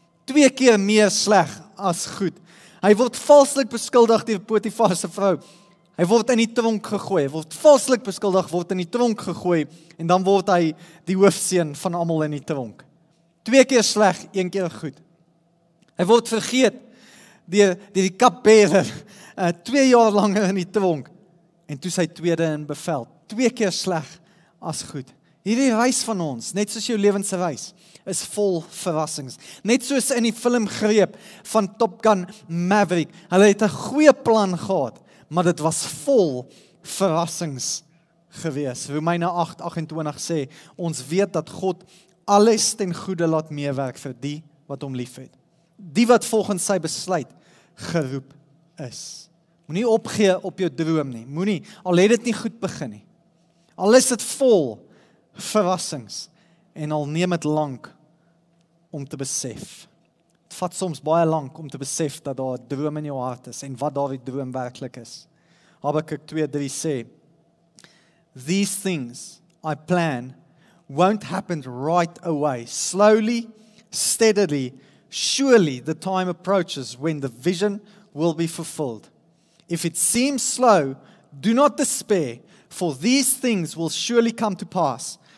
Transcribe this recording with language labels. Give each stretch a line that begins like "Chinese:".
Afrikaans: Twee keer meer sleg as goed. Hy word valslik beskuldig deur Potifar se vrou. Hy word in die tronk gegooi, en dan word hy die hoofseun van almal in die tronk. Twee keer sleg, een keer goed. Hy word vergeet deur die kapbeerder, 2 jaar langer in die tronk, en toe sy tweede in bevel. Twee keer sleg as goed. Hierdie reis van ons, net soos jou lewensreis, is vol verrassings. Net soos in die filmgreep van Top Gun Maverick, hulle het 'n goeie plan gehad, maar dit was vol verrassings gewees. Romeine 8:28 sê, ons weet dat God alles ten goede laat meewerk vir die wat hom lief het. Die wat volgens sy besluit geroep is. Moenie opgee op jou droom nie. Moenie, al het dit nie goed begin nie. Al is dit vol verrassings en al neem het lank om te besef. Het vat soms baie lank om te besef dat daar 'n droom in jou hart is en wat daardie droom werklik is.
English: Habakuk 2:3 sê, these things I plan won't happen right away. Slowly, steadily, surely the time approaches when the vision will be fulfilled. If it seems slow, do not despair, for these things will surely come to pass.